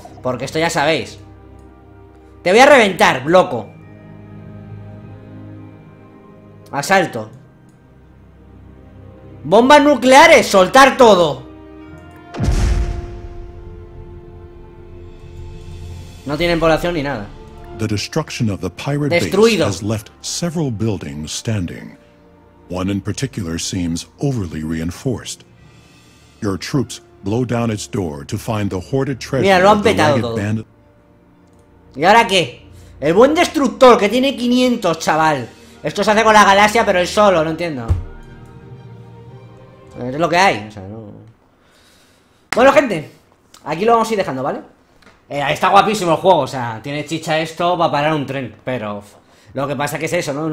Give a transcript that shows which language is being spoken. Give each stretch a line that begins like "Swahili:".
Spanish: Porque esto ya sabéis. Te voy a reventar, loco. Asalto. ¡Bombas nucleares! ¡Soltar todo! No tienen población ni nada.
English: The destruction of the pirate
Spanish: destruido.
English: Base has left several buildings standing. One in particular seems overly reinforced. Your troops blow down its door to find the hoarded treasure.
Spanish: Mira, lo han petado todo. ¿Y ahora qué? El buen destructor que tiene 500, chaval. Esto se hace con la galaxia, pero él solo, no entiendo. Es lo que hay, o sea, no... Bueno, gente, aquí lo vamos a ir dejando, ¿vale? Está guapísimo el juego, o sea, tiene chicha esto para parar un tren, pero... lo que pasa que es eso, ¿no?